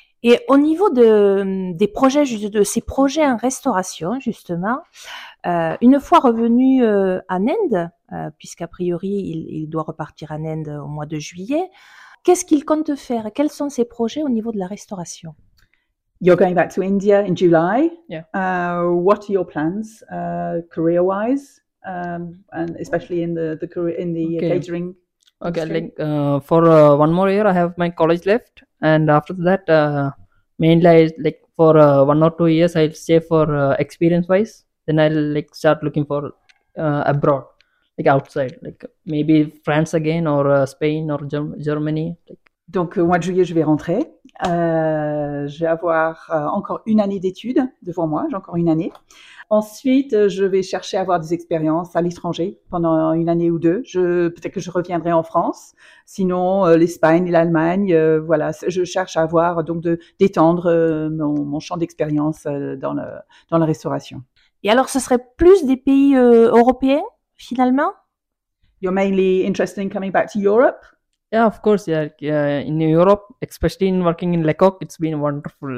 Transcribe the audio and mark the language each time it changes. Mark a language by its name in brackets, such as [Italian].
[French] Et au niveau des projets, de ces projets en restauration, justement, une fois revenu en Inde, puisqu'a priori il doit repartir en Inde au mois de juillet. Qu'est-ce qu'il compte faire? Quels sont ses projets au niveau de la restauration? [English] You're going back to India in July. Yeah. What are your plans career-wise, and especially in the okay. catering? Okay. Industry? Like for one more year, I have my college left, and after that, mainly like for 1 or 2 years, I'll stay for experience-wise. Then I'll like start looking for abroad. Like outside, like maybe France again or Spain or Germany. [French] Donc au mois de juillet, je vais rentrer. Je vais avoir encore une année d'études devant moi, j'ai encore une année. Ensuite, je vais chercher à avoir des expériences à l'étranger pendant une année ou deux. Peut-être que je reviendrai en France, sinon l'Espagne et l'Allemagne. Voilà, je cherche à avoir donc d'étendre mon champ d'expérience dans la restauration. Et alors, ce serait plus des pays européens? Finalement, [English] you're mainly interested in coming back to Europe. Yeah, of course. Yeah, in Europe, especially in working in Lecoq, it's been wonderful.